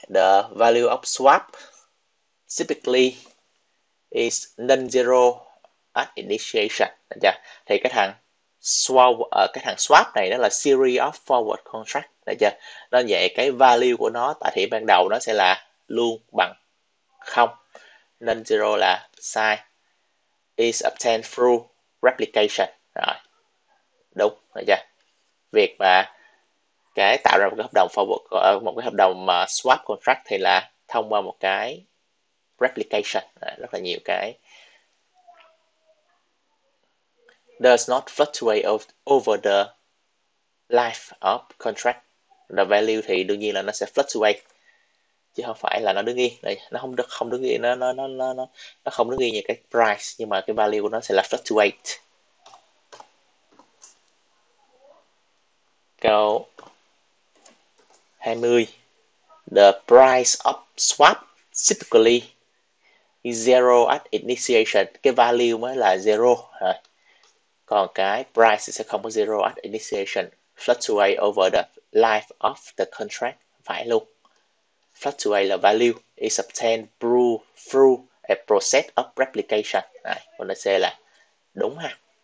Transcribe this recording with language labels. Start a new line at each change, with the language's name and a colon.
English: The value of swap typically is non-zero at initiation.
Vietnamese: Thì cái thằng swap này nó là
English: series of forward contract.
Vietnamese: Đấy chưa? Nên vậy cái value của nó tại điểm ban đầu nó sẽ là luôn bằng không. Non-zero là sai.
English: Is obtained through replication.
Vietnamese: Rồi. Đúng. Đấy chưa? Việc mà cái tạo ra một cái hợp đồng forward, một cái hợp đồng mà swap contract thì là thông qua một cái replication, rất là nhiều cái
English: not fluctuate over the life of contract.
Vietnamese: The value thì đương nhiên là nó sẽ fluctuate chứ không phải là nó đứng yên, nó không được không đứng yên, nó không đứng yên như cái price, nhưng mà cái value của nó sẽ là fluctuate. Câu 20.
English: The price of swap typically zero at initiation.
Vietnamese: Cái value mới là zero. Còn cái price sẽ không có zero
English: at initiation. Fluctuate over the life of the contract.
Vietnamese: Phải luôn.
English: Fluctuate là value. Is obtained through a process of replication.
Vietnamese: Đấy, còn là C là đúng ha.